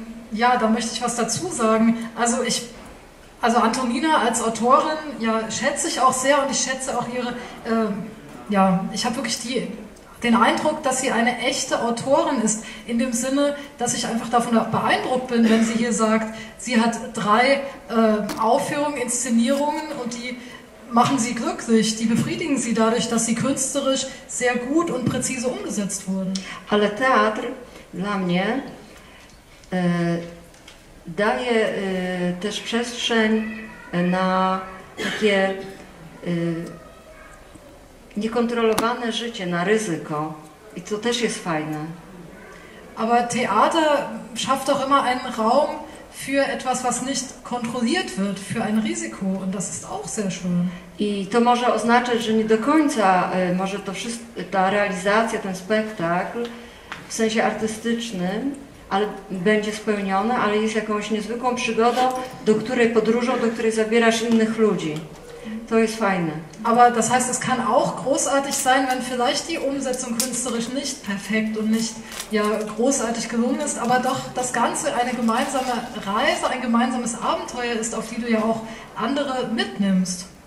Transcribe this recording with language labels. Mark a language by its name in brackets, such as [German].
[German] Ja, da möchte ich was dazu sagen. Also Antonina als Autorin, ja, schätze ich auch sehr und ich schätze auch ihre, ich habe wirklich den Eindruck, dass sie eine echte Autorin ist, in dem Sinne, dass ich einfach davon beeindruckt bin, wenn sie hier sagt, sie hat drei Aufführungen, Inszenierungen und die machen sie glücklich, die befriedigen sie dadurch, dass sie künstlerisch sehr gut und präzise umgesetzt wurden. [Polish] Ale Teatr dla mnie daje też przestrzeń na takie niekontrolowane życie, na ryzyko. I to też jest fajne. [German] Aber Theater schafft doch immer einen Raum für etwas, was nicht kontrolliert wird, für ein Risiko. Und das ist auch sehr schön. [Polish] I to może oznaczać, że nie do końca może to ta realizacja, ten spektakl w sensie artystycznym, ale będzie spełnione, ale jest jakąś niezwykłą przygodą, do której podróżą, do której zabierasz innych ludzi. To jest fajne. [German] Aber das heißt, es kann auch großartig sein, wenn vielleicht die Umsetzung künstlerisch nicht perfekt und nicht großartig gelungen ist, aber doch das Ganze eine gemeinsame Reise, ein gemeinsames Abenteuer ist, auf die du ja auch andere mitnimmst.